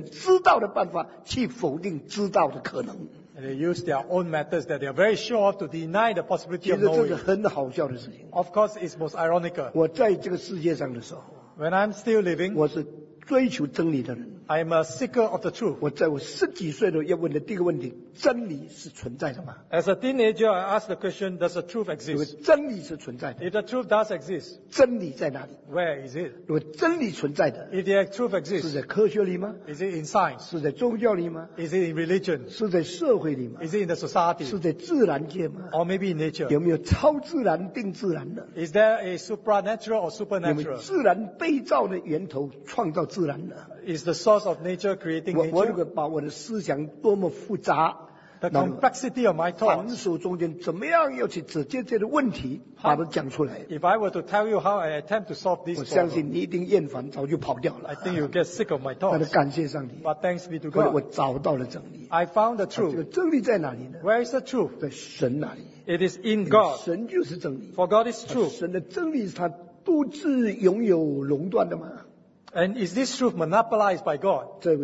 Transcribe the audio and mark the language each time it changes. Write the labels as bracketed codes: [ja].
[zh] 他们是用自己以为自己一定能知道的办法去否定知道的可能, [en] and they use their own methods that they are very sure of to deny the possibility of knowing. [zh] 其实这是很好笑的事情, [en] of course it's most ironical. [zh] 我在这个世界上的时候, [en] when I'm still living, [zh] 我是追求真理的人, [en] I am a seeker of the truth. [zh] 我在我十几岁的时候要问的第一个问题, 真理是存在的吗? [en] As a teenager, I asked the question, does the truth exist? [zh] 如果真理是存在的, [en] if the truth does exist, [zh] 真理在哪里? [en] Where is it? [zh] 如果真理存在的, [en] if the truth exists, [zh] 是在科学里吗? [en] Is it in science? [zh] 是在宗教里吗? [en] Is it in religion? [zh] 是在社会里吗? [en] Is it in the society? [zh] 是在自然界吗? [en] Or maybe in nature? [zh] 有没有超自然定自然的? [en] Is there a supernatural or supernatural? [zh] 有没有自然被造的源头创造自然的? [en] Is the source of nature creating nature? [zh] 我如果把我的思想多么复杂, [en] the complexity of my thoughts, [zh] 繁琐中间怎么样要去直接的问题, 把它讲出来, [en] if I were to tell you how I attempt to solve this problem, [zh] 我相信你一定厌烦早就跑掉了, [en] I think you'll get sick of my thoughts. [zh] 但是感谢上帝, [en] but thanks be to God, [zh] 我找到了真理, [en] I found the truth. [zh] 这个真理在哪里呢? [en] Where is the truth? [zh] 在神哪里? [en] It is in God. [zh] 神就是真理, [en] for God is truth. [zh] 神的真理是他独自拥有垄断的吗? [en] And is this truth monopolized by God?